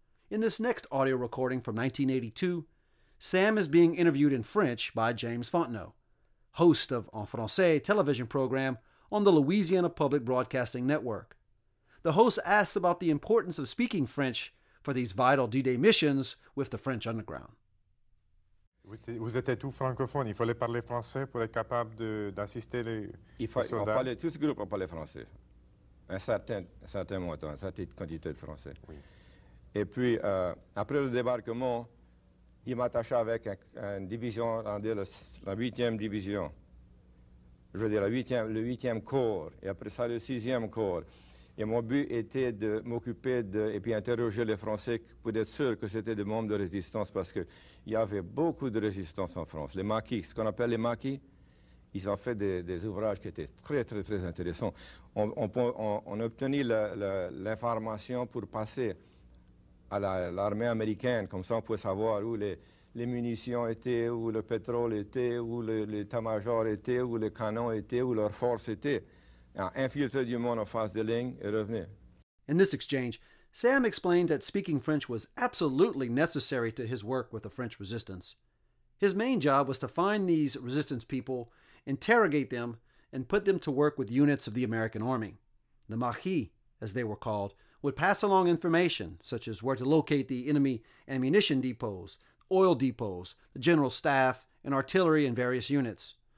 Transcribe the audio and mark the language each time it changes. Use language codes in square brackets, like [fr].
[en] In this next audio recording from 1982, Sam is being interviewed in French by James Fontenot, host of En Français television program on the Louisiana Public Broadcasting Network. The host asks about the importance of speaking French for these vital D-Day missions with the French underground. [fr] Vous étiez tous francophones. Il fallait parler français pour être capable d'assister les soldats. On parlait, tout ce groupe parlait français. Un certain montant, une certaine quantité de français. Oui. Et puis, après le débarquement, il m'attacha avec une division, la 8e division. Je veux dire, le huitième corps, et après ça, le sixième corps. Et mon but était de m'occuper de, et puis interroger les Français pour être sûr que c'était des membres de résistance, parce qu'il y avait beaucoup de résistance en France. Les maquis, ce qu'on appelle les maquis, ils ont fait des ouvrages qui étaient très, très, très intéressants. On a obtenu l'information pour passer à l'armée américaine, comme ça on pouvait savoir où les munitions étaient, où le pétrole était, où l'état-major était, où les canons étaient, où leurs forces étaient. Infiltrer du monde en face de ligne et revenir. [en] In this exchange, Sam explained that speaking French was absolutely necessary to his work with the French resistance. His main job was to find these resistance people, interrogate them, and put them to work with units of the American Army. The Maquis, as they were called, would pass along information, such as where to locate the enemy ammunition depots, oil depots, the general staff, and artillery in various units.